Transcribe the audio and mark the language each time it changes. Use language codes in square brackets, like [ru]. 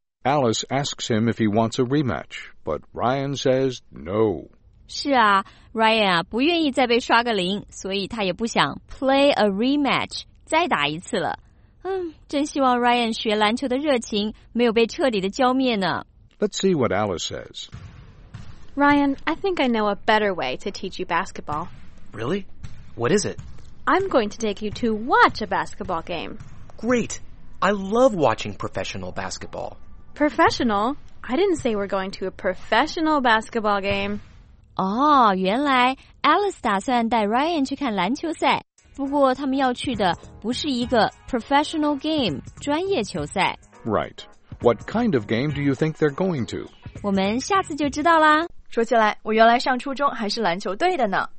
[en] Alice asks him if he wants a rematch, but Ryan says no. [zh] 是啊 ,Ryan 啊不愿意再被刷个零，所以他也不想 [en] play a rematch, [zh] 再打一次了。真希望 Ryan 学篮球的热情没有被彻底的浇灭呢。 [en] Let's see what Alice says. Ryan, I think I know a better way to teach you basketball. Really? What is it? I'm going to take you to watch a basketball game. Great! I love watching professional basketball. Professional? I didn't say we're going to a professional basketball game. [zh] 哦，原来 Alice 打算带 Ryan 去看篮球赛。不过他们要去的不是一个 professional game, 专业球赛。 [en] Right. What kind of game do you think they're going to? [zh] 我们下次就知道啦。说起来，我原来上初中还是篮球队的呢。